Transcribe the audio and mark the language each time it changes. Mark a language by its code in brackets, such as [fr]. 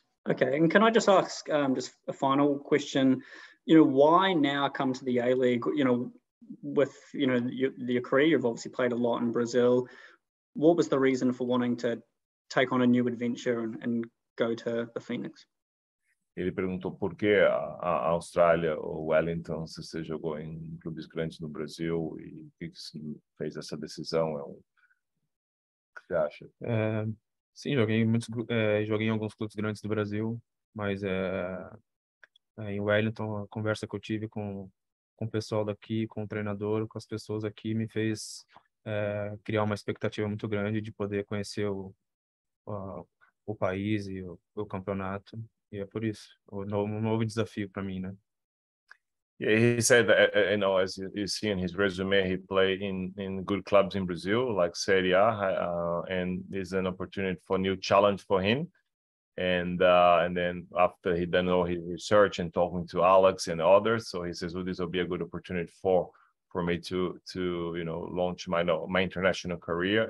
[en] Okay, and can I just ask just a final question? You know, why now come to the ALeague, you know, with, you know, your career? You've obviously played a lot in Brazil. What was the reason for wanting to take on a new adventure and go to the Phoenix? [pt] Ele perguntou por que a Austrália ou Wellington, se você jogou em clubes grandes no Brasil e o que fez essa decisão? O que você acha? Sim, joguei em alguns clubes grandes do Brasil, mas em Wellington, a conversa que eu tive com o pessoal daqui, com o treinador, com as pessoas aqui, me fez criar uma expectativa muito grande de poder conhecer o país e o campeonato. E é por isso, um novo desafio para mim, né? [en] Yeah, he said that, you know, as you see in his resume, he played in good clubs in Brazil, like Serie A, and is an opportunity for a new challenge for him. And then after he done all his research and talking to Alex and others, so he says, well, this will be a good opportunity for me to you know, launch my international career.